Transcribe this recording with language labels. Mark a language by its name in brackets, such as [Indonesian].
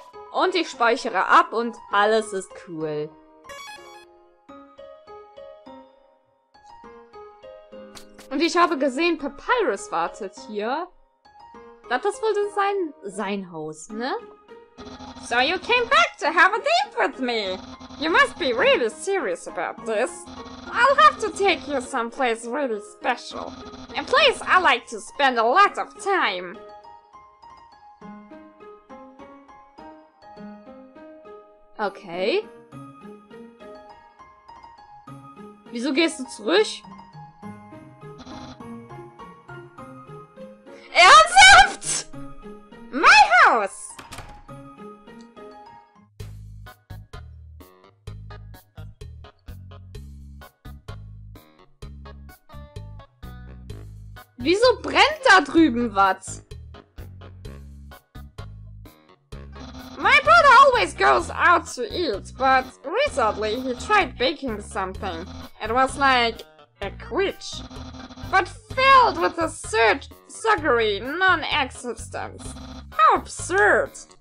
[German] Und ich speichere ab und alles ist cool. Und ich habe gesehen, Papyrus wartet hier. Das ist wohl sein Haus, ne? [English] So you came back to have a date with me. You must be really serious about this. I'll have to take you someplace really special. A place I like to spend a lot of time. Okay. [German] Wieso gehst du zurück? Ernsthaft? [English] My house! [German] Wieso brennt da drüben was? [English] My brother always goes out to eat, but recently he tried baking something. It was like a quiche, but filled with a sugary non-existence. How absurd!